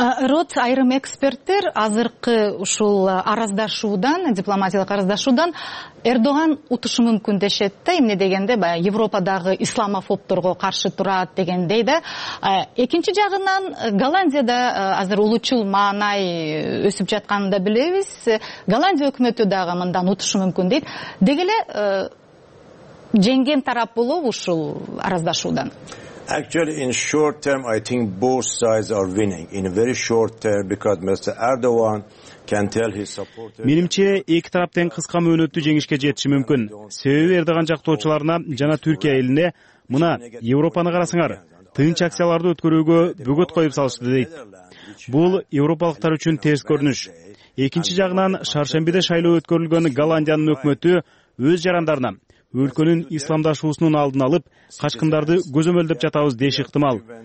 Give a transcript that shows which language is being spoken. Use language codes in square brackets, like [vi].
[ky] Рот, айрым эксперттер азыркы ушул араздашуудан, дипломатиялык араздашуудан Эрдоган утушу мүмкүн дешет да, эмне дегенде баягы Европадагы исламофобдорго каршы турат дегендей да. Экинчи жагынан Голландияда азыр улутчул маанай өсүп жатканын да билебиз. Голландия өкмөтү дагы мындан утушу мүмкүн дейт. Деги эле жеңген тарап болобу ушул араздашуудан? [en] Actually in short term I think both sides are winning in a very short term because Mr. Erdogan can tell his supporters. [ky] Менимче эки тарап тең кыска мөөнөттү жеңишке жетиши мүмкүн. Себеби Эрдоган жактоочуларына жана Түркия элине мына Европаны карасыңар, тынч акцияларды өткөрүүгө бөгөт коюп салышты дейт. Бул европалыктар үчүн терс көрүнүш. Экинчи жагынан шаршембиде шайлоо өткөрүлгөн Голландиянын өкмөтү өз жарандарына өлкөнүн исламдашуусунун алдын алып качкындарды көзөмөлдөп жатабыз деш ыктымал.